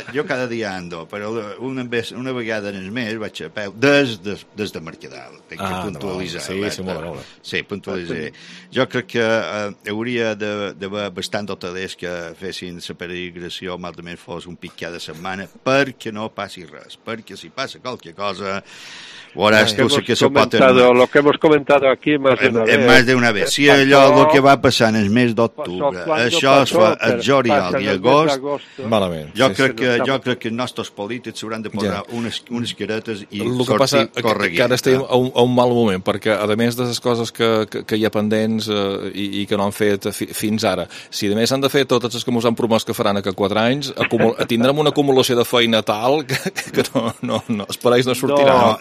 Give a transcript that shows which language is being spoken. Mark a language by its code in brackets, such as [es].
[ca] Jo cada dia ando, però una vegada en el mes vaig a peu, des de Mercadal. Tinc que puntualitzar. Sí, puntualitzar. Jo crec que hauria d'haver bastant hotelers que fessin la peregrinació, malament fos un pic cada setmana, perquè no passi res. Perquè si passa qualque cosa, veuràs tu si que se pot... [es] Lo que hemos comentado aquí más de una vez. Más de una vez. [ca] Si allò, el que va passar en el mes d'octubre, això es fa el juliol i agost, malament. Jo crec que els nostres polítics s'hauran de posar unes caretes i sortir correguent. Que ara estem a un mal moment, perquè a més de les coses que hi ha pendents i que no han fet fins ara, si a més han de fer totes les que ens han promès que faran aquests 4 anys, tindrem una acumulació de feina tal que no es pareix no sortirà.